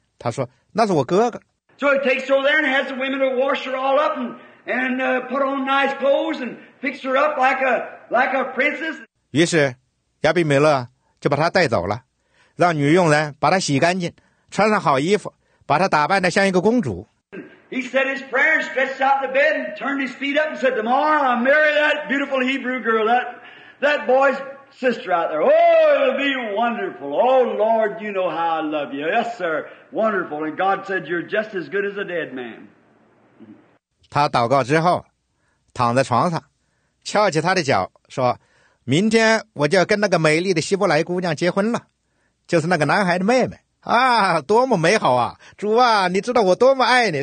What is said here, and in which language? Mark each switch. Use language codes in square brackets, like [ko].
[zh] 他说，那是我哥哥。 [en] So he takes her over there and has the women to wash her all up and put on nice clothes and fix her up like a princess. [zh] 于是亚比米勒就把她带走了，让女佣人把她洗干净，穿上好衣服，把她打扮得像一个公主。 [en] He said his prayer, stretched out the bed and turned his feet up and said, tomorrow I'll marry that beautiful Hebrew girl, that boy's sister out there. Oh, it'll be wonderful. Oh, Lord, you know how I love you. Yes, sir. Wonderful. And God said, you're just as good as a dead man. [zh] 他祷告之后躺在床上，翘起他的脚说，明天我就跟那个美丽的希伯来姑娘结婚了，就是那个男孩的妹妹啊，多么美好啊，主啊，你知道我多么爱你。